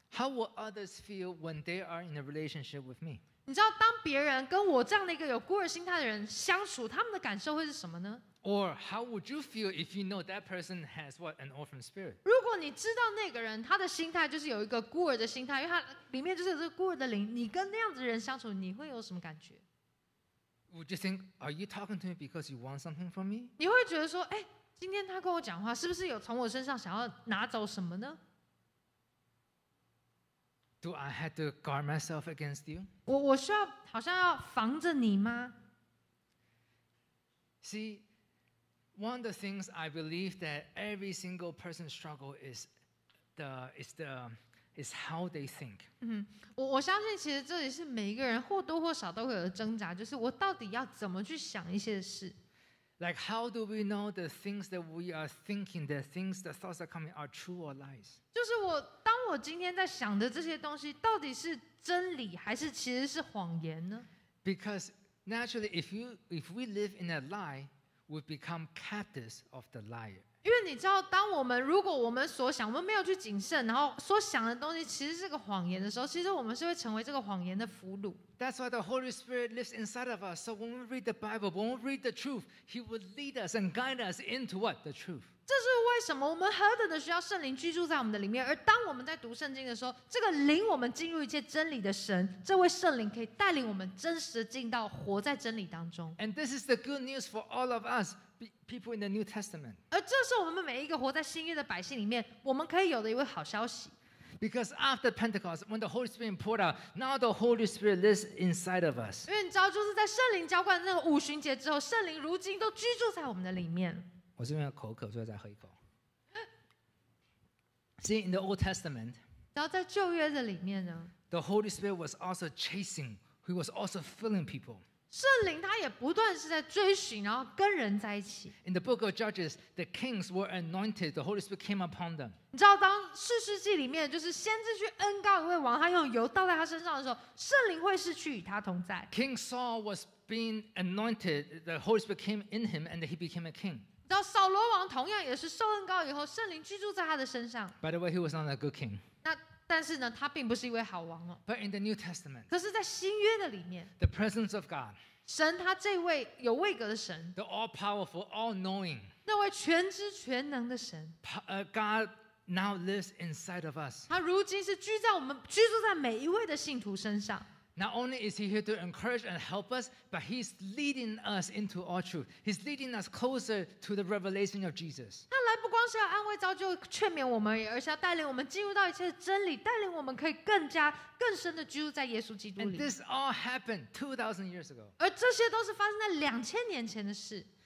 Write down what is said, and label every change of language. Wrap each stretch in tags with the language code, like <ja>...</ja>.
<en>？How will others feel when they are in a relationship with me?</en> <zh>你知道，当别人跟我这样的一个有孤儿心态的人相处，他们的感受会是什么呢</zh> <en>？Or how would you feel if you know that person has what an orphan spirit?</en> <zh>如果你知道那个人他的心态就是有一个孤儿的心态，因为他里面就是有这个孤儿的灵，你跟那样子的人相处，你会有什么感觉？</zh> <en>Would you think, are you talking to me because you want something from me?</en> <zh>你会觉得说，哎，今天他跟我讲话，是不是有从我身上想要拿走什么呢</zh> <en>？Do I have to guard myself against you?</en> <zh>我需要好像要防着你吗</zh> <en>？See, one of the things I believe that every single person struggle is how they think.</en> <zh>我相信其实这里是每一个人或多或少都会有的挣扎，就是我到底要怎么去想一些事。</zh> <en>Like how do we know the things that we are thinking, the things, the thoughts that are coming are true or lies?</en> <zh>就是我当我今天在想的这些东西，到底是真理还是其实是谎言呢</zh> <en>？Because Naturally, if we live in a lie, we become captives of the liar.</en> <zh>因为你知道，当我们如果我们所想，我们没有去谨慎，然后所想的东西其实是个谎言的时候，其实我们是会成为这个谎言的俘虏。</zh> <en>That's why the Holy Spirit lives inside of us. So when we read the Bible, when we read the truth, He will lead us and guide us into what? The truth.</en> <zh>这是为什么我们何等的需要圣灵居住在我们的里面，而当我们在读圣经的时候，这个领我们进入一切真理的神，这位圣灵可以带领我们真实进到活在真理当中。</zh> <en>And this is the good news for all of us. People in the New Testament.</en> <zh>而这是我们每一个活在新约的百姓里面，我们可以有的一位好消息。</zh> <en>Because after Pentecost, when the Holy Spirit poured out, now the Holy Spirit lives inside of us.</en> <zh>因为你知道，就是在圣灵浇灌那个五旬节之后，圣灵如今都居住在我们的里面。我这边有口渴，所以再喝一口。</zh> <en>See in the Old Testament.</en> <zh>然后在旧约的里面呢</zh> <en>，The Holy Spirit was also chasing. He was also filling people.</en> <zh>圣灵他也不断是在追寻，然后跟人在一起。</zh> <en>In the book of Judges, the kings were anointed. The Holy Spirit came upon them.</en> <zh>你知道，当士师记里面就是先知去恩告一位王，他用油倒在他身上的时候，圣灵会是去与他同在。</zh> <en>King Saul was being anointed. The Holy Spirit came in him, and he became a king.</en> <zh>你知道，扫罗王同样也是受恩告以后，圣灵居住在他的身上。</zh> <en>By the way, he was not a good king.</en> <zh>但是呢，他并不是一位好王哦。</zh> <en>But in the New Testament，</en> <zh>可是在新约的里面</zh> <en>，The presence of God，</en> <zh>神他这位有位格的神</zh> <en>，The all-powerful, all-knowing，</en> <zh>那位全知全能的神</zh> <en>，God now lives inside of us。</en> <zh>他如今是居在我们居住在每一位的信徒身上。</zh> <en>Not only is He here to encourage and help us, but He's leading us into all truth. He's leading us closer to the revelation of Jesus.</en> <zh>他来不光是要安慰、造就、劝勉我们而已，而是要带领我们进入到一切真理，带领我们可以更加、更深的居住在耶稣基督里。</zh> <en>And this all happened 2,000 years ago.</en> <zh>而这些都是发生在2,000年前的事。</zh>